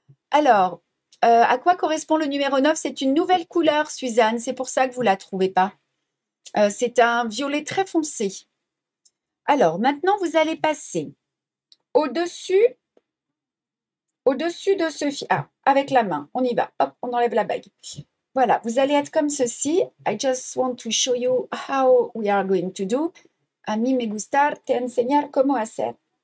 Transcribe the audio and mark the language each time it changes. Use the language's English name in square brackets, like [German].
[French] Alors, à quoi correspond le numéro 9? C'est une nouvelle couleur, Suzanne. C'est pour ça que vous ne la trouvez pas. C'est un violet très foncé. Alors, maintenant, vous allez passer au-dessus de ce fil. Ah, avec la main. On y va. Hop, on enlève la bague. Voilà, vous allez être comme ceci. [English] I just want to show you how we are going to do. [Spanish] A mí me gusta te enseñar cómo hacer.